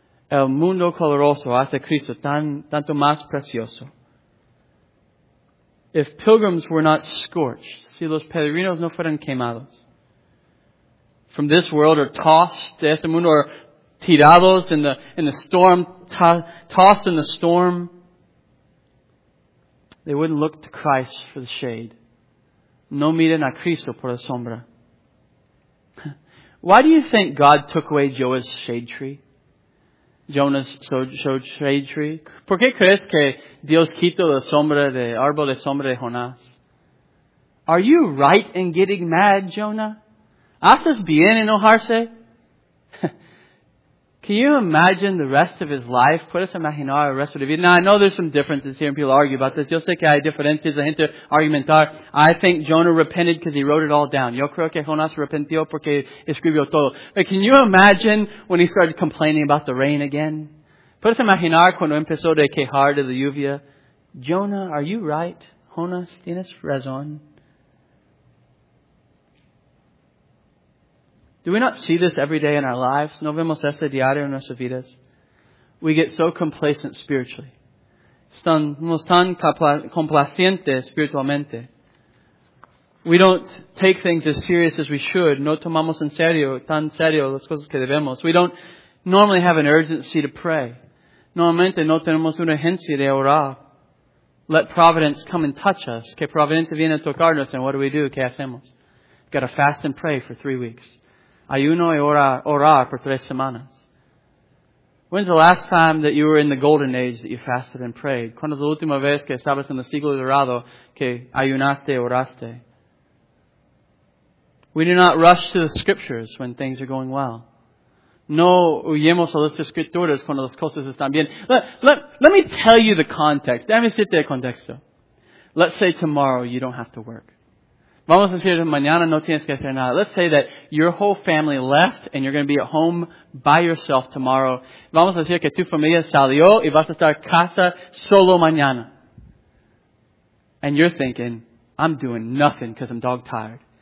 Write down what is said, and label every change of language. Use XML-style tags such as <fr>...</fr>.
<es>El mundo caluroso hace Cristo tanto más precioso.</es> <en>If pilgrims were not scorched,</en> <es>si los peregrinos no fueran quemados,</es> <en>from this world or tossed</en> <es>de este mundo</es> <en>or</en> <es>tirados</es> <en>in the storm, tossed in the storm, they wouldn't look to Christ for the shade.</en> <es>No miren a Cristo por la sombra.</es> <en>Why do you think God took away Jonah's shade tree?</en> <es>¿Por qué crees que Dios quitó la sombra de árbol de sombra de Jonás?</es> <en>Are you right in getting mad, Jonah?</en> <es>¿Haces bien enojarse?</es> <en>Can you imagine the rest of his life?</en> <es>¿Puedes imaginar el resto de vida?</es> <en>Now, I know there's some differences here and people argue about this.</en> <es>Yo sé que hay diferencias, la gente argumentar.</es> <en>I think Jonah repented because he wrote it all down.</en> <es>Yo creo que Jonás arrepintió porque escribió todo.</es> <en>But can you imagine when he started complaining about the rain again?</en> <es>¿Puedes imaginar cuando empezó de quejar de la lluvia?</es> <en>Jonah, are you right? Jonás,</en> <es>¿tienes razón?</es> <en>Do we not see this every day in our lives?</en> <es>No vemos este diario en nuestras vidas.</es> <en>We get so complacent spiritually.</en> <es>Estamos tan complacientes espiritualmente.</es> <en>We don't take things as serious as we should.</en> <es>No tomamos en serio, tan serio las cosas que debemos.</es> <en>We don't normally have an urgency to pray.</en> <es>Normalmente no tenemos una urgencia de orar.</es> <en>Let providence come and touch us.</en> <es>Que providencia viene a tocarnos.</es> <en>And what do?</en> <es>¿Qué hacemos?</es> <en>Got to fast and pray for 3 weeks.</en> <es>Ayuno y orar por 3 semanas.</es> <en>When's the last time that you were in the golden age that you fasted and prayed?</en> <es>¿Cuándo es la última vez que estabas en el siglo dorado que ayunaste y oraste?</es> <en>We do not rush to the scriptures when things are going well.</en> <es>No huyemos a las escrituras cuando las cosas están bien.</es> <en>Let me tell you the context.</en> <es>Déjame decirte el contexto.</es> <en>Let's say tomorrow you don't have to work.</en> <es>Vamos a decir, mañana no tienes que hacer nada.</es> <en>Let's say that your whole family left and you're going to be at home by yourself tomorrow.</en> <es>Vamos a decir que tu familia salió y vas a estar en casa solo mañana.</es> <en>And you're thinking, I'm doing nothing because I'm dog tired.</en>